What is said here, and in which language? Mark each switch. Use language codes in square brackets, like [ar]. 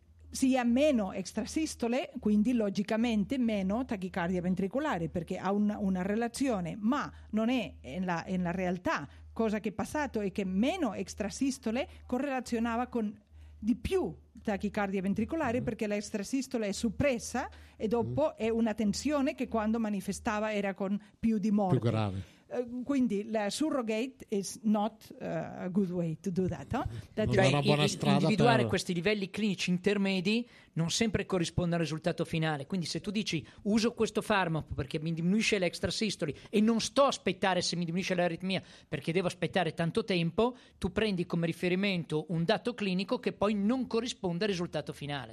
[it] Si ha meno extrasistole, quindi logicamente meno tachicardia ventricolare, perché ha una relazione, ma non è nella realtà. Cosa che è passato è che meno extrasistole correlazionava con di più tachicardia ventricolare, perché l'extrasistole è suppressa e dopo è una tensione che quando manifestava era con più di morte. Più grave. Quindi la [en] surrogate is not a good way to do that. [it] Individuare questi livelli clinici intermedi non sempre corrisponde al risultato finale. Quindi se tu dici uso questo farmaco perché mi diminuisce l'extrasistoli e non sto a aspettare se mi diminuisce l'aritmia perché devo aspettare tanto tempo, tu prendi come riferimento un dato clinico che poi non corrisponde al risultato finale.